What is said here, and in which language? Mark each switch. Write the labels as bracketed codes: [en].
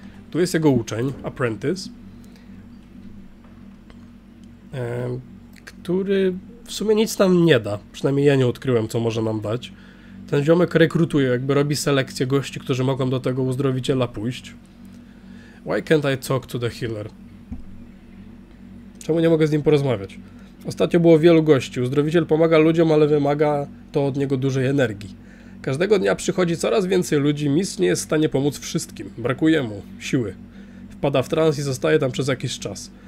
[pl] Tu jest jego uczeń, apprentice. Który w sumie nic nam nie da. Przynajmniej ja nie odkryłem, co może nam dać. Ten ziomek rekrutuje, jakby robi selekcję gości, którzy mogą do tego uzdrowiciela pójść. [en] Why can't I talk to the healer? [pl] Czemu nie mogę z nim porozmawiać? Ostatnio było wielu gości. Uzdrowiciel pomaga ludziom, ale wymaga to od niego dużej energii. Każdego dnia przychodzi coraz więcej ludzi. Mistrz nie jest w stanie pomóc wszystkim. Brakuje mu siły. Wpada w trans i zostaje tam przez jakiś czas.